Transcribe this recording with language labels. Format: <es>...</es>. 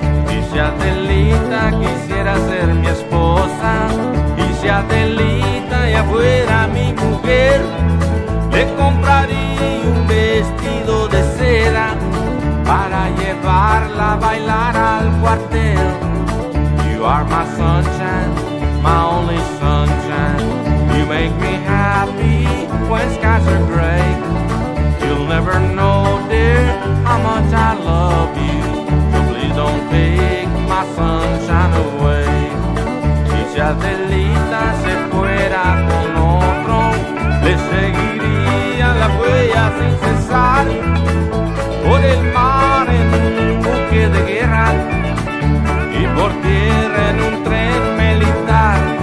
<es>Y si Adelita quisiera ser mi esposa, y si Adelita ya fuera mi mujer, le compraría un vestido de seda para llevarla a bailar al cuartel.</es> <en>You are my sunshine, my only sunshine. You make me happy when skies are gray. You'll never know, dear, how much I love you. So please don't take my sunshine away.</en> <es>Si Adelita se fuera con otro, le seguiría la huella sin cesar. Por el mar en un buque de guerra y por tierra en un tren militar.</es>